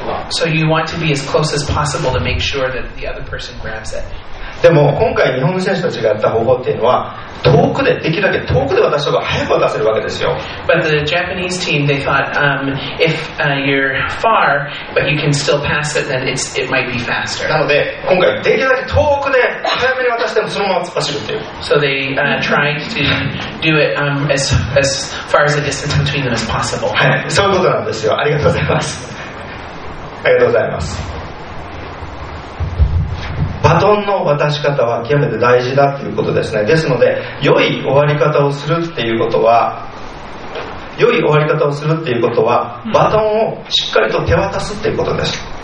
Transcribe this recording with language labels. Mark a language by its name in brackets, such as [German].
[English] So you want to be as close as possible to make sure that the other person grabs it. [Japanese] でも今回日本の選手たちがやった方法っていうのは遠くでできるだけ遠くで渡した方が早く渡せるわけですよ。 [English] But the Japanese team, they thought, if you're far, but you can still pass it, then it might be faster. [Japanese] なので今回できるだけ遠くで早めに渡してもそのまま走るっていう。 [English] So they tried to do it as far as the distance between them as possible. [Japanese] はい、そういうことなんですよ。ありがとうございます。ありがとうございます。バトンの渡し方は極めて大事だということですね。ですので良い終わり方をするっていうことは、良い終わり方をするっていうことはバトンをしっかりと手渡すっていうことです。